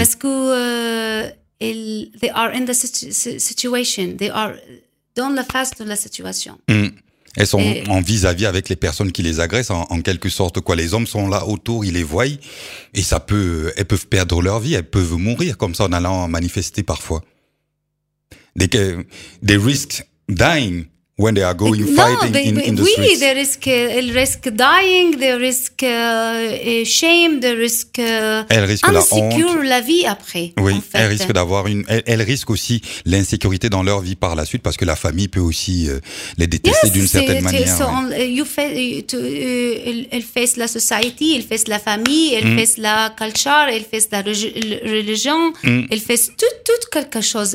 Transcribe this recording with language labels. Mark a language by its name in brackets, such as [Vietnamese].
[French] Parce que [English] they are in the situation, they are [French] dans la face de la situation. Elles sont en vis-à-vis avec les personnes qui les agressent, en quelque sorte. Quoi. Les hommes sont là autour, ils les voient, et elles peuvent perdre leur vie, elles peuvent mourir comme ça en allant manifester parfois. [English] They risk dying when they are going fighting in the streets. They risk dying, they risk shame, they risk insecure [French] la vie après. Oui, en fait. Elle risque aussi l'insécurité dans leur vie par la suite parce que la famille peut aussi les détester d'une certaine manière. [English] Yes, [French] elle face la society, elle face la famille, elle face la culture, elle face la religion, elle face tout quelque chose.